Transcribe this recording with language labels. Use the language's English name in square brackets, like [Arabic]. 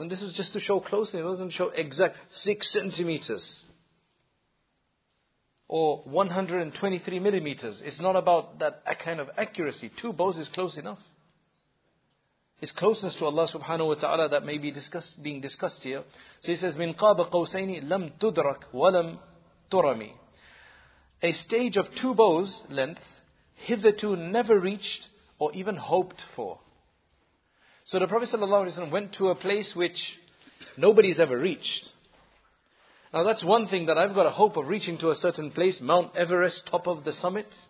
[English] And this is just to show closely, it doesn't show exact 6 centimeters. Or 123 millimeters. It's not about that kind of accuracy. Two bows is close enough. His closeness to Allah subhanahu wa ta'ala that may be being discussed here. So he says, [Arabic] مِنْ قَابَ قَوْسَيْنِ لَمْ تُدْرَكْ وَلَمْ تُرَمِي. [English] A stage of two bows length, hitherto never reached or even hoped for. So the Prophet sallallahu alaihi wasallam went to a place which nobody's ever reached. Now that's one thing that I've got a hope of reaching to a certain place, Mount Everest, top of the summit.